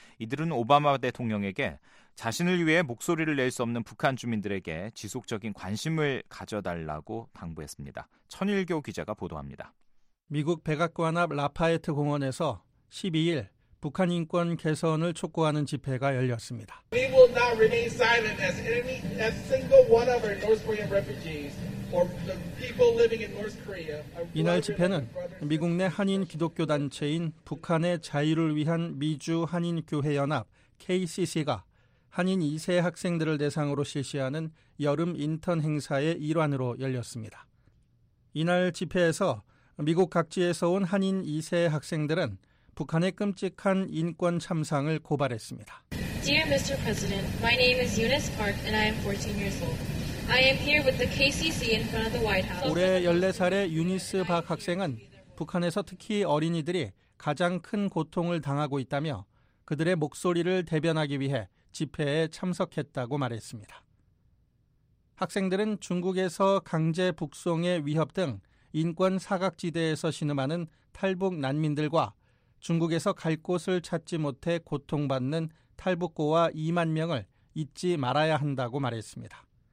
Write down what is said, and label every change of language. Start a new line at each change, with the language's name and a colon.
Korean: 이들은 오바마 대통령에게 자신을 위해 목소리를 낼 수 없는 북한 주민들에게 지속적인 관심을 가져달라고 당부했습니다. 천일교 기자가 보도합니다. 미국 백악관 앞 라파에트 공원에서 12일 북한 인권 개선을 촉구하는 집회가 열렸습니다.
English: We will not remain silent as any as single one of our North Korean refugees or the people living in North Korea.
Korean: 이날 집회는 미국 내 한인 기독교 단체인 북한의 자유를 위한 미주 한인 교회 연합 KCC가 한인 2세 학생들을 대상으로 실시하는 여름 인턴 행사의 일환으로 열렸습니다. 이날 집회에서 미국 각지에서 온 한인 2세 학생들은 북한의 끔찍한 인권 참상을 고발했습니다.
English: Dear Mr. President, my name is Eunice Park and I am 14 years old. I am here with the KCC in front of the White House.
Korean: 올해 14살의 유니스 박 학생은 북한에서 특히 어린이들이 가장 큰 고통을 당하고 있다며 그들의 목소리를 대변하기 위해 집회에 참석했다고 말했습니다. 학생들은 중국에서 강제 북송의 위협 등 인권 사각지대에서 신음하는 탈북 난민들과 중국에서 갈 곳을 찾지 못해 고통받는 탈북고와 2만 명을 잊지 말아야 한다고 말했습니다.